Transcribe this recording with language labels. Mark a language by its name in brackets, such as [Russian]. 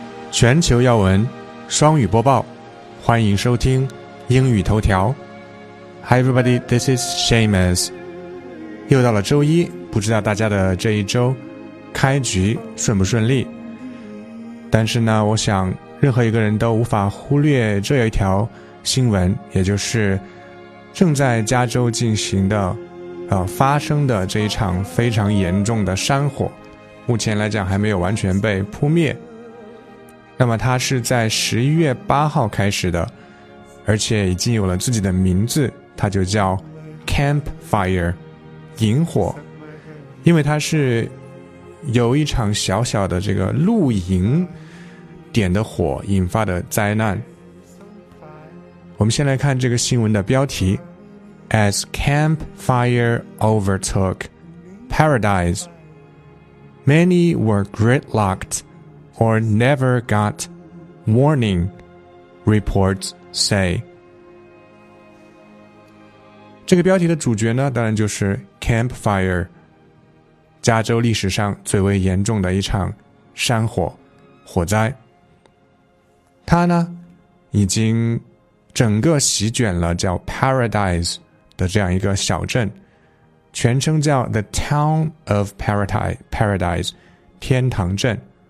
[Chinese] 全球要闻双语播报，欢迎收听英语头条。 [English] Hi everybody, this is Seamus. [Chinese] 又到了周一，不知道大家的这一周开局顺不顺利。但是呢，我想任何一个人都无法忽略这一条新闻，也就是正在加州进行的发生的这一场非常严重的山火，目前来讲还没有完全被扑灭。那么它是在11月8号开始的，而且已经有了自己的名字，它就叫 Campfire 萤火。因为它是有一场小小的这个露营点的火引发的灾难。我们先来看这个新闻的标题， [English] As campfire overtook paradise, many were gridlockedOr never got warning, reports say. [Chinese] 这个标题的主角呢，当然就是 Campfire, 加州历史上最为严重的一场山火火灾。它呢，已经整个席卷了叫 Paradise 的这样一个小镇，全称叫 The Town of Paradise, 天堂镇。